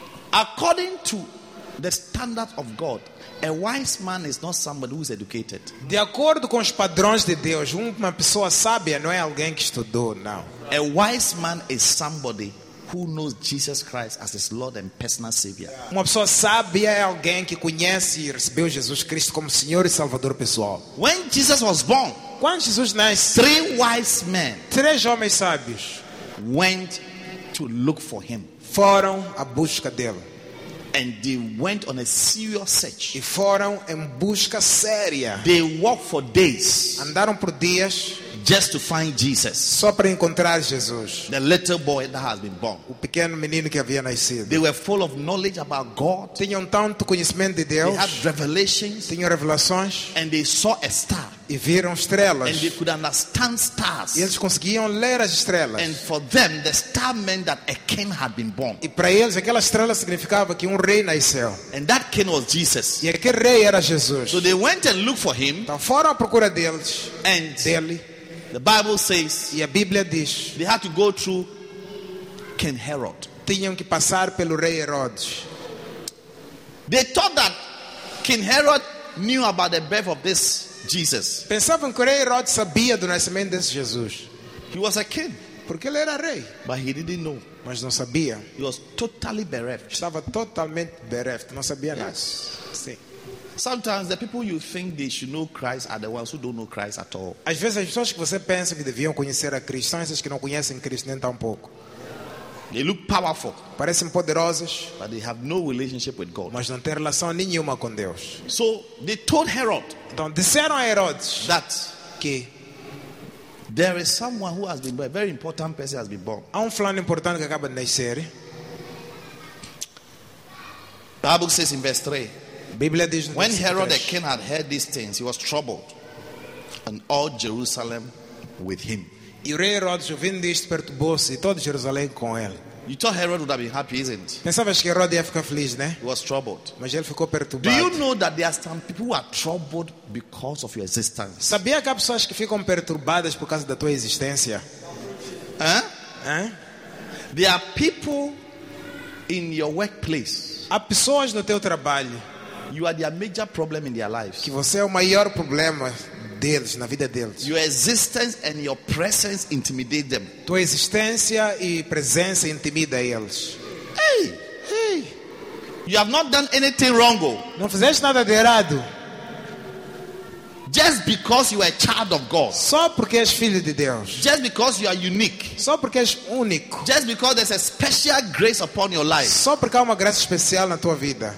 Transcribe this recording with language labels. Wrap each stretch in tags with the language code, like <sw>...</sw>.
<en>According to the standard of God, a wise man is not somebody who is educated.</en> <pt>De acordo com os padrões de Deus, uma pessoa sábia não é alguém que estudou, não.</pt> <en>A wise man is somebody who knows Jesus Christ as his Lord and personal Savior.</en> <pt>Uma pessoa sábia é alguém que conhece e recebeu Jesus Cristo como Senhor e Salvador pessoal.</pt> <en>When Jesus was born,</en> <pt>quando Jesus nasce,</pt> <en>three wise men,</en> <pt>três homens sábios,</pt> <en>went to look for him.</en> <pt>Foram à busca dele.</pt> <en>And they went on a serious search.</en> <pt>E foram em busca séria.</pt> <en>They walked for days.</en> <pt>Andaram por dias.</pt> <en>Just to find Jesus.</en> <pt>Só para encontrar Jesus.</pt> <en>The little boy that has been born.</en> <pt>O pequeno menino que havia nascido.</pt> <en>They were full of knowledge about God.</en> <pt>Tinham tanto conhecimento de Deus.</pt> <en>They had revelations.</en> <pt>Tinham revelações.</pt> <en>And they saw a star.</en> <pt>E viram estrelas.</pt> <en>And they could understand stars.</en> <pt>E eles conseguiam ler as estrelas.</pt> <en>And for them, the star meant that a king had been born.</en> <pt>E para eles aquela estrela significava que um rei nasceu.</pt> <en>And that king was Jesus.</en> <pt>E aquele rei era Jesus.</pt> <en>So they went and looked for him.</en> <pt>Então foram à procura deles.</pt> <en>And</en> <pt>dele.</pt> <en>The Bible says,</en> <pt>e a Bíblia diz,</pt> <en>they had to go through King Herod.</en> <pt>Tinham que passar pelo rei Herodes.</pt> <en>They thought that King Herod knew about the birth of this Jesus.</en> <pt>Pensavam que o rei Herodes sabia do nascimento desse Jesus.</pt> <en>He was a king,</en> <pt>porque ele era rei.</pt> <en>But he didn't know.</en> <pt>Mas não sabia.</pt> <en>He was totally bereft.</en> <pt>Estava totalmente bereft. Não sabia nada.</pt> <en>Yes. Sometimes the people you think they should know Christ are the ones who don't know Christ at all.</en> <pt>Às vezes as pessoas que você pensa que deviam conhecer a Cristo são essas que não conhecem Cristo nem tampouco.</pt> <en>They look powerful.</en> <pt>Parecem poderosas,</pt> <en>but they have no relationship with God.</en> <pt>Mas não têm relação nenhuma com Deus.</pt> <en>So they told Herod.</en> <pt>Então disseram a Herodes</pt> <en>that</en> <pt>que</pt> <en>there is someone who has been born, a very important person has been born.</en> <pt>Há um fulano importante que acaba de nascer.</pt> <en>Bible says in verse 3.</en> <pt>Bíblia diz,</pt> <en>when Herod the king had heard these things, he was troubled, and all Jerusalem with him.</en> <pt>E o rei Herodes ouvindo isto perturbou-se e todo Jerusalém com ele.</pt> <en>You thought Herod would have been happy, isn't?</en> <pt>Pensavas que Herod ia ficar feliz, né?</pt> <en>He was troubled.</en> <pt>Mas ele ficou perturbado.</pt> <en>Do you know that there are some people who are troubled because of your existence?</en> <pt>Sabia que há pessoas que ficam perturbadas por causa da tua existência?</pt> <en>Huh?</en> <pt>Huh?</pt> <en>There are people in your workplace.</en> <pt>Há pessoas no teu trabalho.</pt> <en>You are their major problem in their lives.</en> <pt>Que você é o maior problema deles, na vida deles.</pt> <en>Your existence and your presence intimidate them.</en> <pt>Tua existência e presença intimida eles.</pt> <en>Hey,</en> <pt>hey.</pt> <en>You have not done anything wrong.</en> <pt>Não fizeste nada de errado.</pt> <en>Just because you are a child of God.</en> <pt>Só porque és filho de Deus.</pt> <en>Just because you are unique.</en> <pt>Só porque és único.</pt> <en>Just because there's a special grace upon your life.</en> <pt>Só porque há uma graça especial na tua vida.</pt>